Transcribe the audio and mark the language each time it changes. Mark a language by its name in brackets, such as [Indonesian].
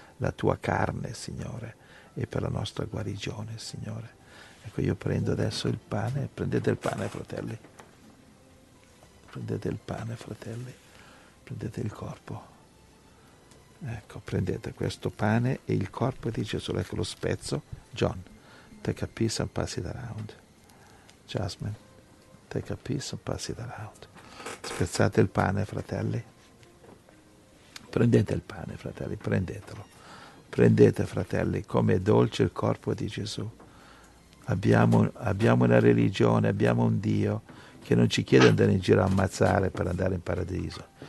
[Italian] La tua carne, Signore, è per la nostra guarigione, Signore. Ecco, io prendo adesso il pane. Prendete il pane, fratelli. Prendete il pane, fratelli. Prendete il corpo. Ecco, prendete questo pane e il corpo di Gesù. Ecco, lo spezzo. [English] John, take a piece and pass it around. Jasmine, take a piece and pass it around. [Italian] Spezzate il pane, fratelli. Prendete il pane, fratelli, prendetelo. Prendete, fratelli, come è dolce il corpo di Gesù. Abbiamo una religione, abbiamo un Dio che non ci chiede di andare in giro a ammazzare per andare in paradiso.